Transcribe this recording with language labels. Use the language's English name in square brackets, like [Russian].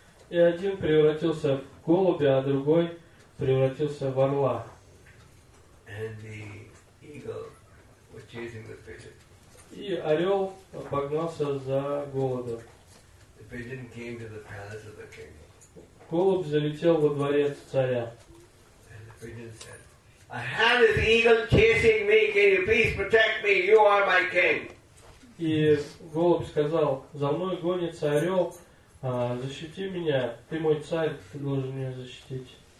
[Russian] И один превратился в голубя, а другой превратился в орла. [English] And the eagle was chasing the pigeon. [Russian] И орел погнался за голубем. [English] The pigeon came to the palace of the king. [Russian] Голубь залетел во дворец царя. [English] And the pigeon said, I have this eagle chasing me, can you please protect me, you are my king. [Russian] И голубь сказал, за мной гонится орел, защити меня, ты мой царь, ты должен меня защитить.